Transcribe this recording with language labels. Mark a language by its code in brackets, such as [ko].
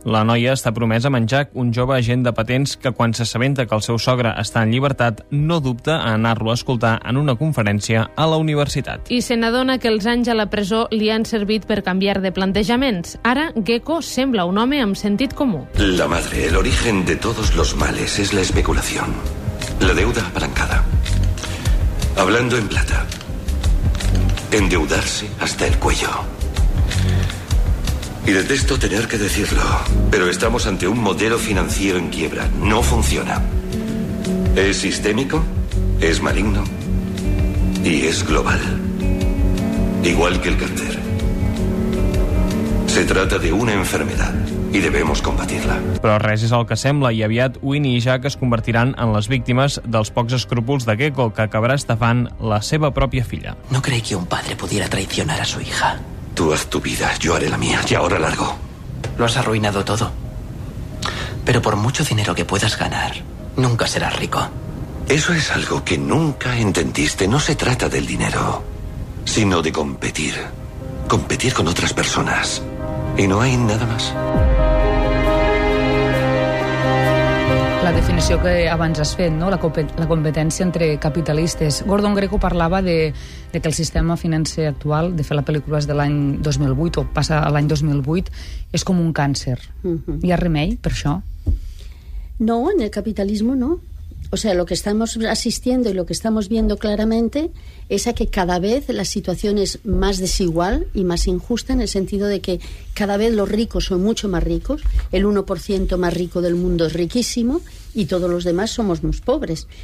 [ca] La noia està promesa amb en Jack, un jove agent de patents que, quan s'assabenta que el seu sogre està en llibertat, no dubta a anar-lo a escoltar en una conferència a la universitat. I se n'adona que els anys a la presó li han servit per canviar de plantejaments. Ara, Gecko sembla un home amb sentit comú. [es] La madre, el origen de todos los males es la especulación. La deuda apalancada. Hablando en plata. Endeudarse hasta el cuello. Y detesto tener que decirlo, pero estamos ante un modelo financiero en quiebra. No funciona. Es sistémico, es maligno y es global. Igual que el cáncer. Se trata de una enfermedad y debemos combatirla. [ca] Però res és el que sembla i aviat Winnie i Jack es convertiran en les víctimes dels pocs escrúpols de Gecko, que acabarà estafant la seva pròpia filla. [es] No creí que un padre pudiera traicionar a su hija. Tú haz tu vida, yo haré la mía. Y ahora largo. Lo has arruinado todo. Pero por mucho dinero que puedas ganar, nunca serás rico. Eso es algo que nunca entendiste. No se trata del dinero, sino de competir. Competir con otras personas. Y no hay nada más. [ca] La definició que abans has fet, no? La competència entre capitalistes. Gordon Gekko parlava de que el sistema financer actual, de fer la pel·lícula és de l'any 2008 o passa a l'any 2008, és com un càncer. Mm-hmm. Hi ha remei per això? No, en el capitalisme no. [es] O sea, lo que estamos asistiendo y lo que estamos viendo claramente es a que cada vez la situación es más desigual y más injusta, en el sentido de que cada vez los ricos son mucho más ricos, el 1% más rico del mundo es riquísimo y todos los demás somos muy pobres.